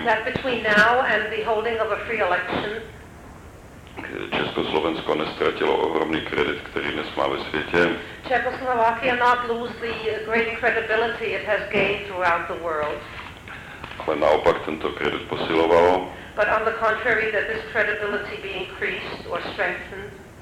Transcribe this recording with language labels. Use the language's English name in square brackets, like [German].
[English] that between now and the holding of a free election, [Czech] Československo nestratilo ohromný kredit, který dnes má ve světě. [English] Czechoslovakia not lose the great credibility it has gained throughout the world. [Czech] Ale naopak tento kredit posilovalo. [English] But on the contrary, that this credibility be increased or strengthened.